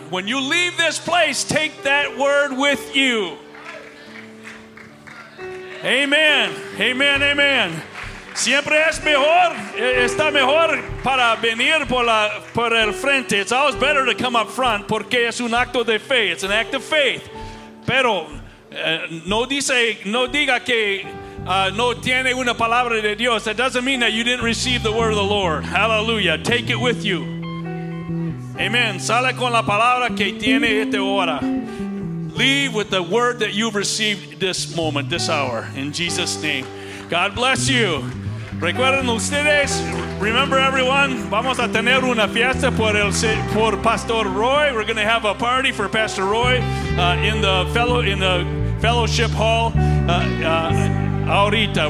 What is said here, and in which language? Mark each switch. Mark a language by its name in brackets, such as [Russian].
[English] When you leave this place, take that word with you. Amen. Amen. Amen. [Spanish] Siempre es mejor, está mejor para venir por el frente. [English] It's always better to come up front [Spanish] porque es un acto de fe. [English] It's an act of faith. [Spanish] Pero no diga que no tiene una palabra de Dios. [English] That doesn't mean that you didn't receive the word of the Lord. Hallelujah. Take it with you. Amen. [Spanish] Sale con la palabra que tiene esta hora. [English] Leave with the word that you've received this moment, this hour. In Jesus' name. God bless you. [Spanish] Recuerden ustedes, [English] remember everyone, [Spanish] vamos a tener una fiesta por Pastor Roy. [English] We're going to have a party for Pastor Roy in the fellowship hall ahorita.